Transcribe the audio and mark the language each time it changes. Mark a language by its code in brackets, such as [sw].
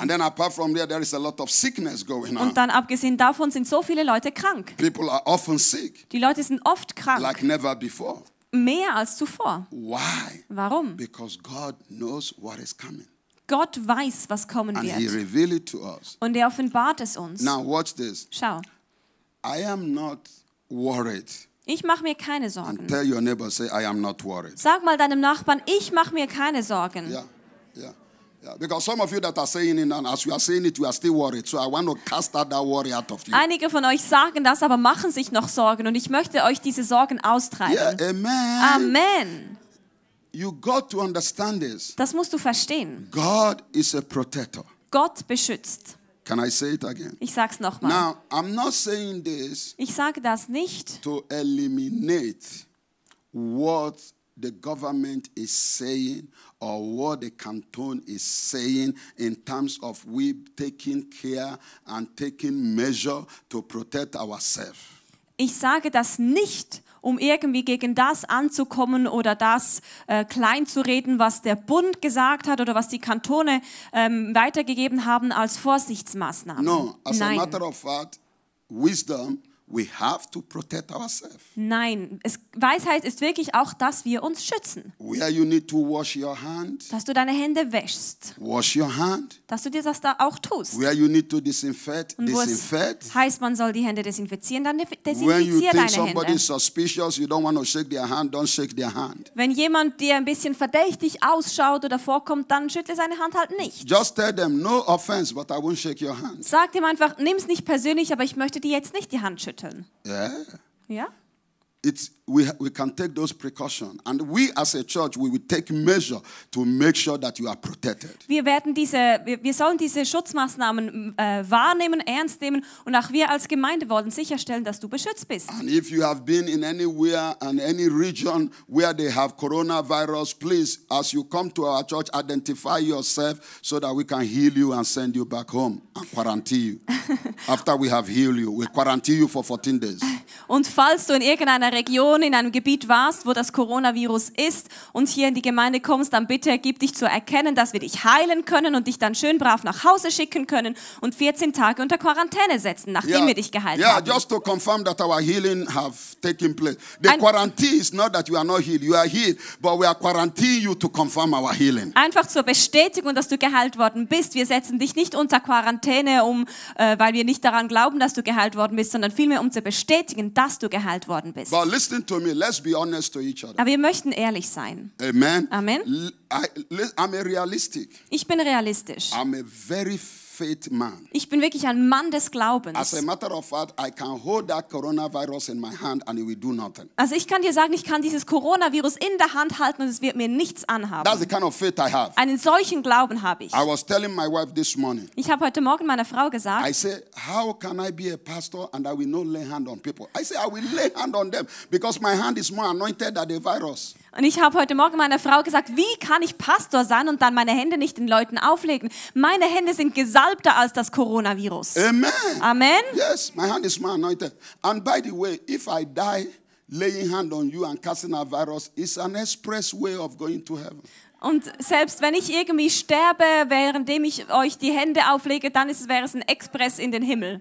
[en] And then apart from there, there is a lot of sickness going on. [de] Und dann abgesehen davon sind so viele Leute krank. [en] People are often sick. [de] Die Leute sind oft krank. [en] Like never before. [de] Mehr als zuvor. [en] Why? [de] Warum? [en] Because God knows what is coming. [de] Gott weiß, was kommen [en] and [de] wird. [en] He revealed it to us. [de] Und er offenbart es uns. [en] Now watch this. [de] Schau. [en] I am not worried. [de] Ich mache mir keine Sorgen. [en] And tell your neighbor, say, I am not worried. [de] Sag mal deinem Nachbarn, ich mache mir keine Sorgen. [en] Yeah. Yeah. Yeah. Because some of you that are saying it, and as you are saying it, you are still worried. So I want to cast out that worry out of you. [de] Einige von euch sagen das, aber machen sich noch Sorgen. Und ich möchte euch diese Sorgen austreiben. [en] Yeah, amen. [de] Amen. [en] You got to understand this. [de] Das musst du verstehen. [en] God is a protector. [de] Gott beschützt. [en] Can I say it again? [de] Ich sag's noch mal. [en] Now, I'm not saying this. [de] Ich sage das nicht. [en] To eliminate what the government is saying or what the canton is saying in terms of we taking care and taking measure to protect ourselves. [de] Ich sage das nicht, um irgendwie gegen das anzukommen oder das kleinzureden, was der Bund gesagt hat oder was die Kantone weitergegeben haben als Vorsichtsmaßnahmen. [en] No, as a matter of fact, wisdom, we have to protect ourselves. [de] Nein, Weisheit ist wirklich auch, dass wir uns schützen. [en] Where you need to wash your hand, [de] dass du deine Hände wäschst. [en] Wash your hand, [de] dass du dir das da auch tust. [en] Where you need to disinfect, disinfect. [de] Heißt, man soll die Hände desinfizieren, dann desinfiziere deine Hände. Wenn jemand dir ein bisschen verdächtig ausschaut oder vorkommt, dann schüttle seine Hand halt nicht. [en] Just tell them, no offense, but I won't shake your hand. [de] Sag ihm einfach, nimm es nicht persönlich, aber ich möchte dir jetzt nicht die Hand schütteln. [en] Yeah. [de] Ja? [en] It's we can take those precautions and we as a church we will take measure to make sure that you are protected. [de] Wir sollen diese Schutzmaßnahmen wahrnehmen, ernst nehmen und auch wir als Gemeinde wollen sicherstellen, dass du beschützt bist. [en] And if you have been in anywhere and any region where they have coronavirus, please as you come to our church identify yourself so that we can heal you and send you back home and quarantine you. After we have healed you, we quarantine you for 14 days. [de] Und falls du in irgendeiner Region, in einem Gebiet warst, wo das Coronavirus ist und hier in die Gemeinde kommst, dann bitte gib dich zu erkennen, dass wir dich heilen können und dich dann schön brav nach Hause schicken können und 14 Tage unter Quarantäne setzen, nachdem wir dich geheilt haben. [en] Just to confirm that our healing have taken place. The quarantine is not that you are not healed, you are healed, but we are quarantining you to confirm our healing. [de] Einfach zur Bestätigung, dass du geheilt worden bist. Wir setzen dich nicht unter Quarantäne, weil wir nicht daran glauben, dass du geheilt worden bist, sondern vielmehr um zu bestätigen, dass du geheilt worden bist. [en] But listen to me, let's be honest to each other. [de] Aber wir möchten ehrlich sein. [en] Amen. [de] Amen. [en] I'm a realistic. [de] Ich bin realistisch. [en] I'm a very faith man. [de] Ich bin wirklich ein Mann des Glaubens. [en] As a matter of fact, I can hold that coronavirus in my hand and it will do nothing. [de] Also ich kann dir sagen, ich kann dieses Coronavirus in der Hand halten und es wird mir nichts anhaben. [en] That's the kind of faith I have. [de] Einen solchen Glauben habe ich. [en] I was telling my wife this morning. [de] Ich habe heute Morgen meiner Frau gesagt. [en] I say, how can I be a pastor and I will not lay hand on people? I say, I will lay hand on them because my hand is more anointed than the virus. [de] Und ich habe heute Morgen meiner Frau gesagt, wie kann ich Pastor sein und dann meine Hände nicht den Leuten auflegen? Meine Hände sind gesalbter als das Coronavirus. [en] Amen. [de] Amen. [en] Yes, my hand is more anointed. And by the way, if I die laying hand on you and casting a virus, it's an express way of going to heaven. [de] Und selbst wenn ich irgendwie sterbe, währenddem ich euch die Hände auflege, dann wäre es ein Express in den Himmel.